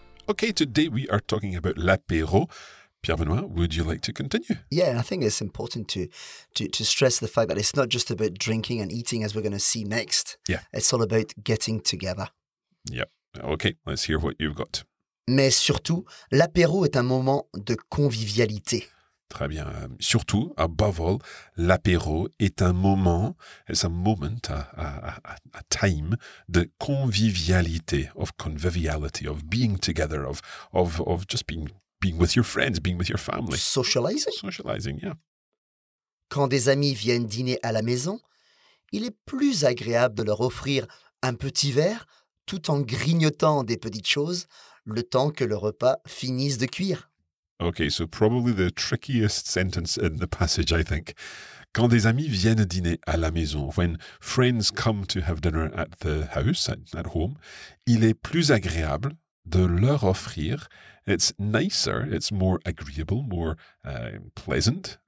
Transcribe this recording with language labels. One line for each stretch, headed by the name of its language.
English: Okay, today we are talking about l'apéro. Pierre-Benoît, would you like to continue? Yeah, I think it's important to stress the fact that it's not just about drinking and eating, as we're going to see next. Yeah. It's all about getting together. Yep. Okay, let's hear what you've got.
French: Mais surtout, l'apéro est un moment de convivialité. Très bien. Surtout,
English: above all,
French: l'apéro est un moment,
English: it's a moment, a time
French: de convivialité,
English: of conviviality, of being together, of just being with your friends, being with your family. Socializing? Socializing, yeah.
French: Quand des amis viennent dîner à la maison, il est plus agréable de leur offrir un petit verre tout en grignotant des petites choses le temps que le repas finisse de cuire.
English: Okay, so probably the trickiest sentence in the passage, I think.
French: Quand des amis viennent dîner à la maison,
English: when friends come to have dinner at the house, at home,
French: il est plus agréable de leur offrir.
English: It's nicer, it's more agreeable, more pleasant.